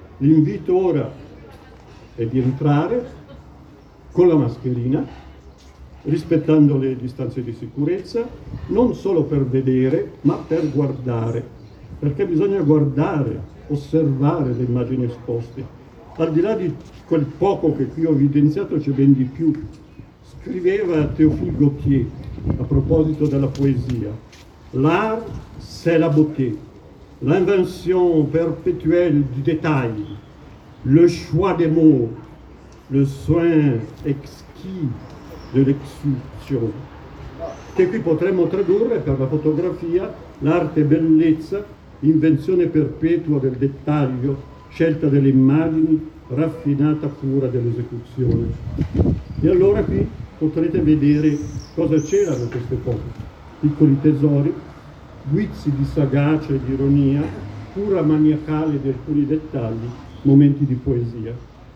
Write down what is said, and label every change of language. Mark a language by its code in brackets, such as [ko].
[it] L'invito ora è di entrare con la mascherina, rispettando le distanze di sicurezza, non solo per vedere, ma per guardare, perché bisogna guardare, osservare le immagini esposte. Al di là di quel poco che qui ho evidenziato, c'è ben di più. Scriveva Théophile Gautier a proposito della poesia: [fr] l'art, c'est la beauté, l'invention perpétuelle du détail, le choix des mots, le soin exquis de l'exception. [it] Che qui potremmo tradurre per la fotografia: l'arte bellezza, invenzione perpetua del dettaglio, scelta delle immagini, raffinata cura dell'esecuzione. E allora qui potrete vedere cosa c'erano queste foto: piccoli tesori, guizzi di sagacia e di ironia, cura maniacale di alcuni dettagli, momenti di poesia.